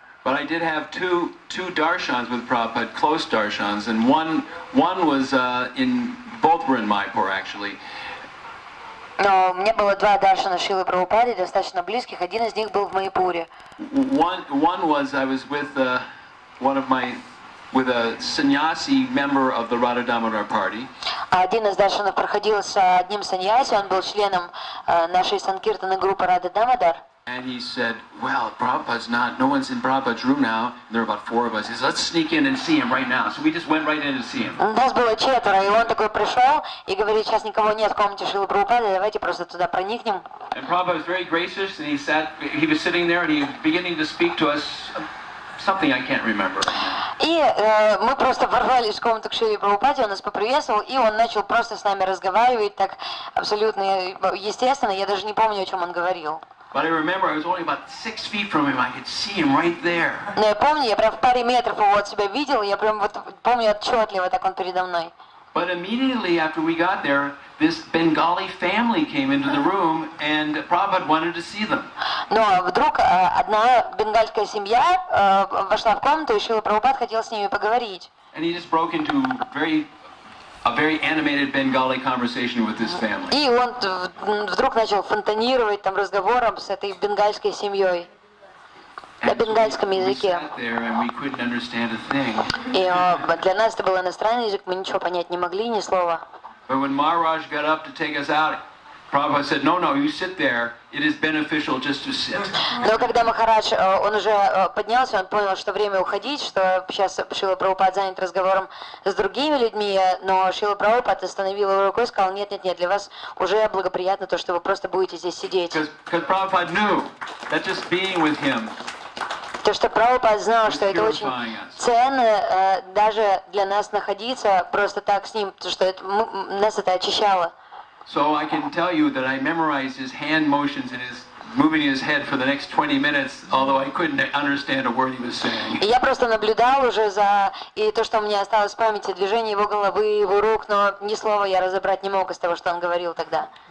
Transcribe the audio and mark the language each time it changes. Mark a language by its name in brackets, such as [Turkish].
[English] But I did have two darshans with Prabhupada, close darshans, and one was in, both were in Mayapur, actually. [Russian] Но у меня было два даршана Шрилы Прабхупады, достаточно близких. Один из них был в Майпуре. [English] One was, I was with one of my... with a sannyasi member of the Radha Damodar party. [Russian] Один из даршанов проходил с одним саньяси, он был членом нашей санкиртаны группы Радха Дамодар. [English] And he said, well, Prabhupada's not, no one's in Prabhupada's room now. There are about four of us. He said, let's sneak in and see him right now. So we just went right in and see him. [Russian] Нас было четверо, и он такой пришел и говорит, сейчас никого нет в комнате Шрилы Прабхупады, давайте просто туда проникнем. [English] And Prabhupada was very gracious, and he was sitting there, and he was beginning to speak to us something I can't remember. [Russian] И мы просто ворвались в комнату к Шриле Прабхупаде, он нас поприветствовал, и он начал просто с нами разговаривать так абсолютно естественно, я даже не помню, о чем он говорил. [English] But I remember I was only about 6 feet from him, I could see him right there. [Russian] Но я помню, я прям в паре метров его от себя видел, я прям вот помню отчетливо, так он передо мной. [English] But immediately after we got there, this Bengali family came into the room, and Prabhupada wanted to see them. [Russian] Но вдруг одна бенгальская семья вошла в комнату, и Шрила Прабхупада хотел с ними поговорить. [English] And he just broke into a very animated Bengali conversation with this family. [Russian] И он вдруг начал фонтанировать там разговором с этой бенгальской семьей. На бенгальском языке. И для нас это был иностранный язык, мы ничего понять не могли, ни слова. [English] But when Maharaj got up to take us out, Prabhupada said, no, you sit there. It is beneficial just to sit. [Russian] Но когда Махарадж, он уже поднялся, он понял, что время уходить, что сейчас Шрила Прабхупада занят разговором с другими людьми, но Шрила Прабхупада остановил его рукой и сказал, нет, для вас уже благоприятно то, что вы просто будете здесь сидеть. [English] Because Prabhupada knew that just being with him. [Russian] То, что Прабхупада знал, что это очень ценно даже для нас находиться просто так с ним, то, что это, нас это очищало. [English] So I can tell you that I memorized his hand motions and his moving his head for the next 20 minutes, although I couldn't understand a word he was saying. [Russian] Я просто наблюдал уже за и то, что у меня осталось в памяти, движение его головы, его рук, но ни слова я разобрать не мог из того, что он говорил тогда.